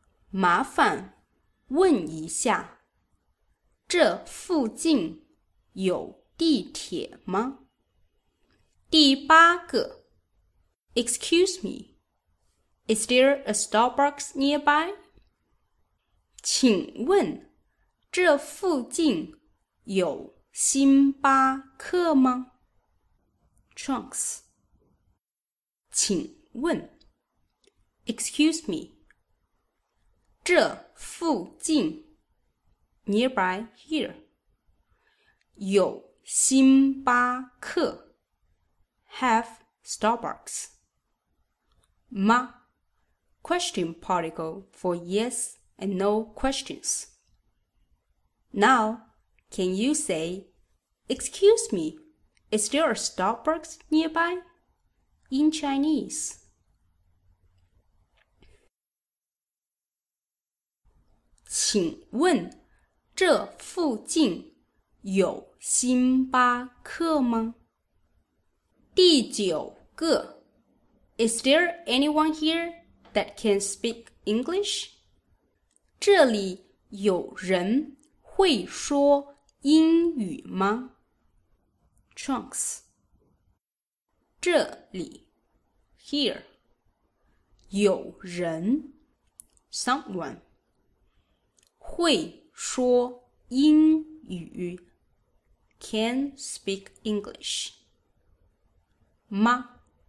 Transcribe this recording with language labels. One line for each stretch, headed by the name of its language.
Chinese: 麻烦问一下，这附近有地铁吗？第八个
English: Excuse me, is there a Starbucks nearby?
Chinese: 请问这附近有星巴克吗？
English: Trunks
Chinese: 请问
English: Excuse me
Chinese: 这附近
English: Nearby here
Chinese: 有星巴克
English: Have Starbucks
Chinese: 吗？
English: Question particle for yes and no questions. Now, can you say, Excuse me, is there a Starbucks nearby? In Chinese.
Chinese: 请问这附近有星巴克吗？第九个
English: Is there anyone here that can speak English?
Chinese: 这里有人会说英语吗?
English: Trunks
Chinese: 这里
English: Here
Chinese: 有人
English: Someone
Chinese: 会说英语
English: Can speak English
Chinese: 吗?